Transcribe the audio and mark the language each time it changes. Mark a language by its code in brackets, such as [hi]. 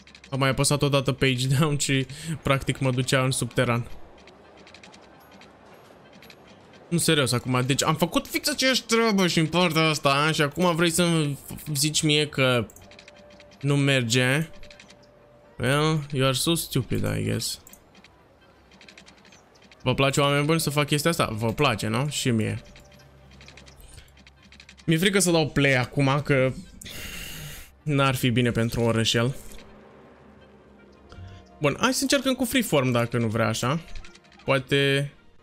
[ro] Am mai apăsat odată page down și practic mă ducea în subteran. Nu, serios, acum, deci am făcut fix aceeași treabă și în partea asta și acum vrei să-mi zici mie că nu merge. [en] Well, you are so stupid, I guess. [ro] Vă place, oameni buni, să fac chestia asta? Vă place, nu? Și mie. Mi-e frică să dau play acum, că n-ar fi bine pentru orășel. Bun, hai să încercăm cu freeform, dacă nu vrea așa. Poate...